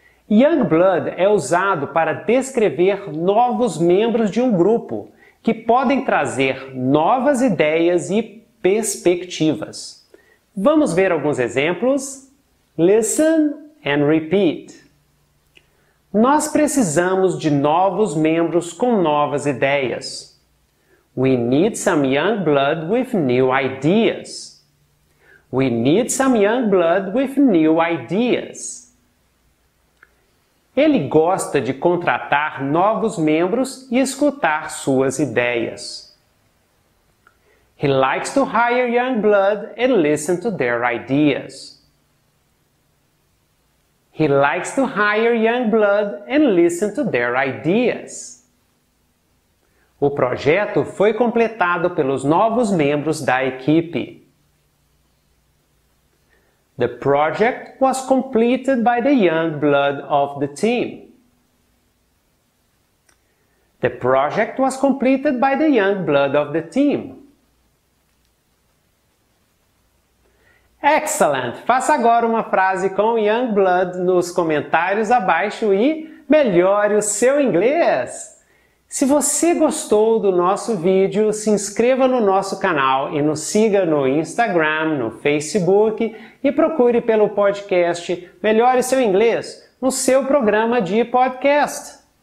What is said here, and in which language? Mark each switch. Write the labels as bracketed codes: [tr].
[pt] Young blood é usado para descrever novos membros de um grupo que podem trazer novas ideias e perspectivas. Vamos ver alguns exemplos? [en] Listen and repeat. [pt] Nós precisamos de novos membros com novas ideias. [en] We need some young blood with new ideas. We need some young blood with new ideas. [pt] Ele gosta de contratar novos membros e escutar suas ideias. [en] He likes to hire young blood and listen to their ideas. He likes to hire young blood and listen to their ideas. [pt] O projeto foi completado pelos novos membros da equipe. [en] The project was completed by the young blood of the team. The project was completed by the young blood of the team. Excellent! [pt] Faça agora uma frase com young blood nos comentários abaixo e melhore o seu inglês! Se você gostou do nosso vídeo, se inscreva no nosso canal e nos siga no Instagram, no Facebook e procure pelo podcast Melhore Seu Inglês no seu programa de podcast.